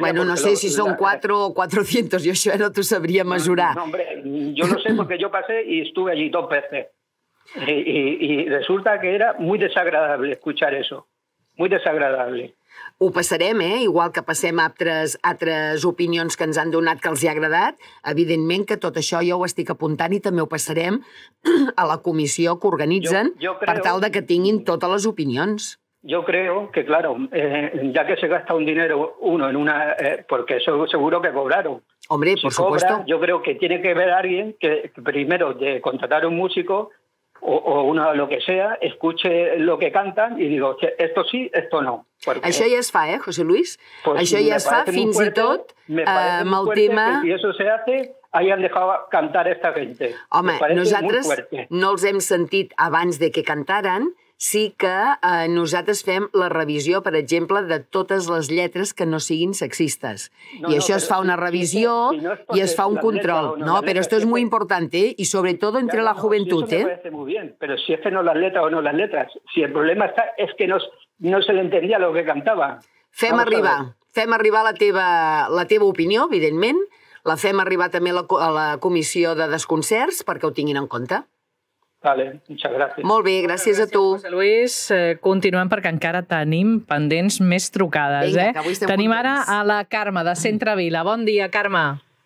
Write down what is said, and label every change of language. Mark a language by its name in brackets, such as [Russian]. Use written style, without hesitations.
[Catalan] Bueno, no sé si són quatre o 400, jo això no t'ho sabria mesurar. [Spanish] No, hombre, yo no sé, porque yo pasé y estuve allí dos veces. Y resulta que era muy desagradable escuchar eso. Muy desagradable. [Catalan] Ho passarem, eh? Igual que passem altres opinions que ens han donat que els hi ha agradat. Evidentment que tot això jo ho estic apuntant i també ho passarem a la comissió que organitzen per tal de que tinguin totes les opinions. [Spanish] Yo creo que, claro, ya que se gasta un dinero uno en una... porque eso seguro que cobraron. Hombre, por supuesto. Yo creo que tiene que ver alguien que primero de contratar un músico o una lo que sea, escuche lo que cantan y digo, esto sí, esto no. [Catalan] Porque, això ja es fa, José Luis. Pues, això ja es fa fins [Spanish] fuerte, [Catalan] i tot amb el tema... [Spanish] Si eso se hace... hayan dejado cantar esta gente. [Catalan] Home, nosaltres no els hem sentit abans de que cantaren, sí que nosaltres fem la revisió, per exemple, de totes les lletres que no siguin sexistes. [Spanish] No, [Catalan] i això es fa una revisió [Spanish] si no [Catalan] i es fa un control. [Spanish] No, [Catalan] no però això és molt important, i sobretot entre la joventut. [Spanish] Si eso me parece muy bien, pero si es que no las letras o no las letras. Si el problema está es que no se le entendía lo que cantaba. [Catalan] Fem arribar la teva opinió, evidentment. La fem arribar també a la comissió de desconcerts perquè ho tinguin en compte. [Spanish] Vale, muchas gracias. [Catalan] Molt bé, gràcies a tu. José Luis, continuem perquè encara tenim pendents més trucades. Vinga, tenim ara a la Carme de Centrevila. Bon dia, Carme.